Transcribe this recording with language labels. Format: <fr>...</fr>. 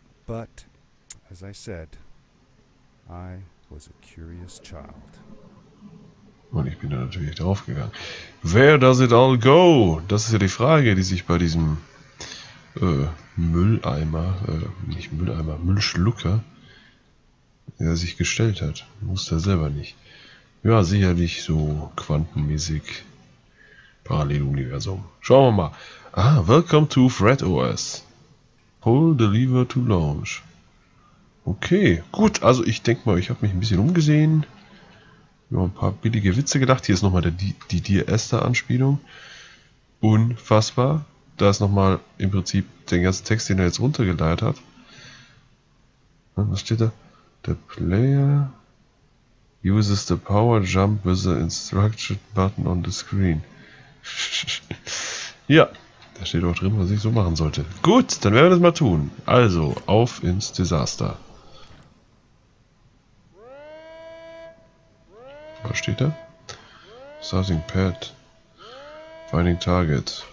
<en>But, as I said, I was a curious child.</en> <de>Und ich bin da natürlich draufgegangen.</de> <en>Where does it all go?</en> <de>Das ist ja die Frage, die sich bei diesem Müllschlucker, der sich gestellt hat. Muss der selber nicht. Ja, sicherlich so quantenmäßig Paralleluniversum. Schauen wir mal.</de> <en>Ah, welcome to Fred OS. Pull the lever to launch.</en> <de>Okay, gut. Also ich denke mal, ich habe mich ein bisschen umgesehen. Ja, ein paar billige Witze gedacht. Hier ist nochmal die Dear Esther-Anspielung. Unfassbar. Da ist nochmal im Prinzip den ganzen Text, den er jetzt runtergeleitet hat. Was steht da?</de> <en>The player uses the power jump with the instruction button on the screen.</en> <de>Ja, da steht auch drin, was ich so machen sollte. Gut, dann werden wir das mal tun. Also, auf ins Desaster. Was steht da?</de> <en>Starting pad. Finding target.</en>